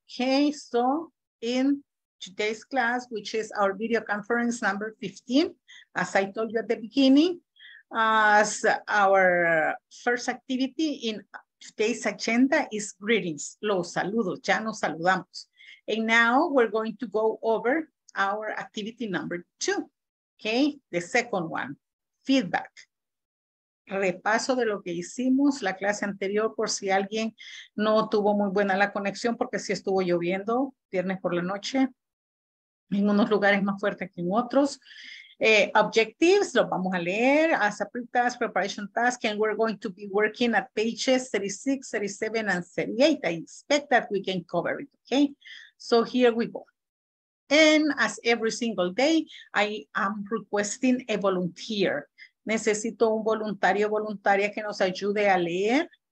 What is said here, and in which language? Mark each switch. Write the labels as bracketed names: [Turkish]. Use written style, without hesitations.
[English] Okay, so in today's class, which is our video conference number 15, as I told you at the beginning, as our first activity in today's agenda is greetings. [Spanish] Los saludos, ya nos saludamos. [English] And now we're going to go over our activity number 2. Okay, the second one, feedback. [Spanish] Repaso de lo que hicimos la clase anterior por si alguien no tuvo muy buena la conexión porque sí estuvo lloviendo viernes por la noche en unos lugares más fuertes que en otros. [English] Objectives, [Spanish] los vamos a leer [English] as a pre-task, preparation task, and we're going to be working at pages 36, 37, and 38. I expect that we can cover it, okay? So here we go. And as every single day, I am requesting a volunteer. [Spanish] Necesito un voluntario o voluntaria que nos ayude a leer.